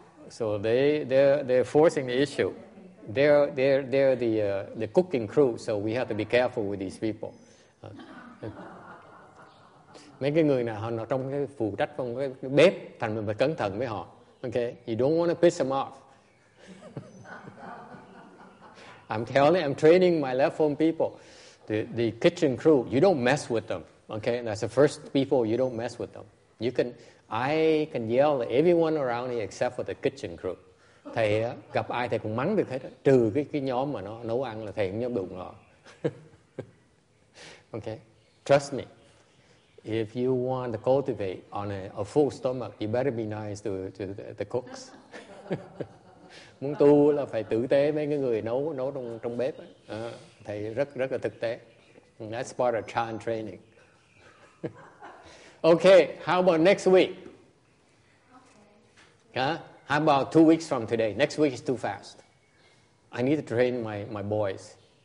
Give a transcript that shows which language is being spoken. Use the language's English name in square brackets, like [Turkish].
[English] So they're forcing the issue. They're the cooking crew, so we have to be careful with these people. [Vietnamese] Mấy cái người nào họ trong cái phụ trách trong cái bếp, thành mình phải cẩn thận với họ. [English] Okay, you don't want to piss them off. I'm training my left home people, the kitchen crew. You don't mess with them. Okay, that's the first people. You don't mess with them. I can yell at everyone around here except for the kitchen crew. [Vietnamese] Thầy gặp ai thầy cũng mắng được hết, trừ cái nhóm mà nó nấu ăn là thầy cũng nhớ đụng họ. [English] Ok, trust me, if you want to cultivate on a full stomach, you better be nice to the cooks. [Vietnamese] Muốn tu là phải tử tế mấy cái người nấu trong bếp. Thầy rất rất là thực tế. [English] That's part of chan training. Ok, how about next week? How about 2 weeks from today? Next week is too fast. I need to train my boys.